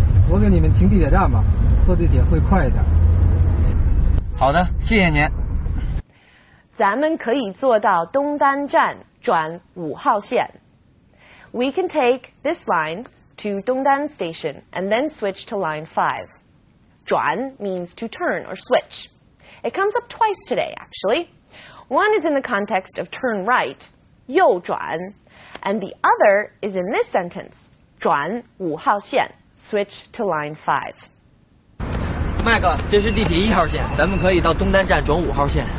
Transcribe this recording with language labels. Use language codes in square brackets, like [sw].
[zh] 我给你们停地铁站吧，坐地铁会快一点。好的，谢谢您。咱们可以坐到东单站转五号线。 [en] We can take this line to Dongdan Station and then switch to line 5. 转 means to turn or switch. It comes up twice today, actually. One is in the context of turn right, 右转, and the other is in this sentence, [zh] 转五号线, [en] switch to line 5. [zh] Mike, 这是地铁一号线，咱们可以到东单站转五号线。